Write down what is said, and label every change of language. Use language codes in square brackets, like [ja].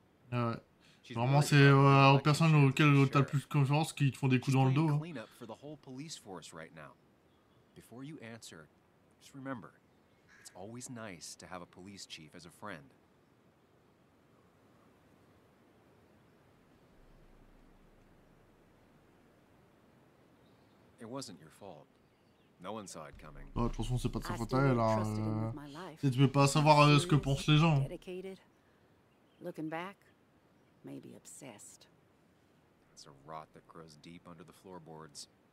[fr] Normalement, c'est aux personnes auxquelles t'as le plus confiance qui te font des coups dans le dos. [en] Clean up for the whole police force right now. Before you answer, just remember. Always nice to have a police chief as a friend. It wasn't your fault. No one saw it coming. [fr] Bah, de toute façon, c'est pas de sa faute à elle. Hein. Tu peux pas savoir ce que pensent les gens. [en] Looking back, maybe obsessed. It's a rot that grows deep under the floorboards.